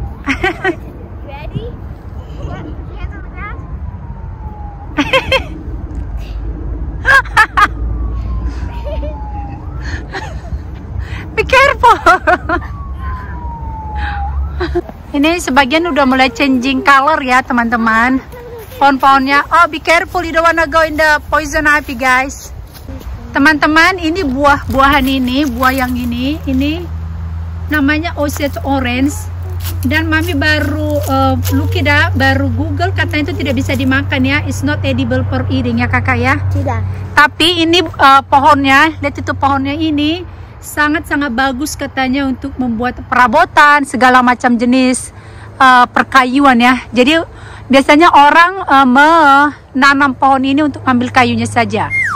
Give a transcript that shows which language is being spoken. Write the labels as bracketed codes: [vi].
[en] Ready? What? Hands on the grass? Be careful. [id] Ini sebagian udah mulai [en] changing color [id] ya, teman-teman. Pohon-pohonnya, [en] oh be careful, you don't wanna go in the poison ivy guys. [id] Teman-teman, ini buah-buahan ini, buah yang ini namanya Osage Orange. Dan Mami baru, baru Google, katanya itu tidak bisa dimakan ya. [en] It's not edible for eating ya Kakak ya. [id] Tidak. Tapi ini pohonnya, lihat itu pohonnya ini, sangat-sangat bagus katanya untuk membuat perabotan, segala macam jenis perkayuan ya. Jadi biasanya orang menanam pohon ini untuk ambil kayunya saja.